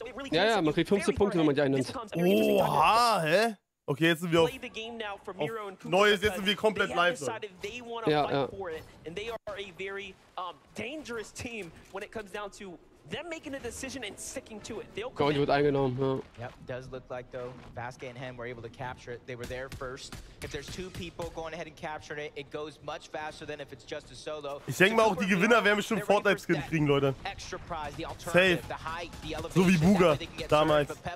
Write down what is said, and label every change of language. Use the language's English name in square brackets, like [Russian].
[German] Ja, man kriegt 15 Punkte, wenn man die einen nimmt. Oha, hä? Okay, jetzt sind wir auf Neues, jetzt sind wir komplett live. Ja. [English] And they are a very dangerous team when it comes down to them making a decision and sticking to it. [German] Gold wird eingenommen, ja. [English] Yep, does look like though Vasque and Hem were able to capture it. They were there first. If there's two people going ahead and capturing it, it goes much faster than if it's just a solo. [German] Ich denke mal, auch die Gewinner werden bestimmt Fortnite Skin kriegen, Leute. Safe. So wie Booger damals.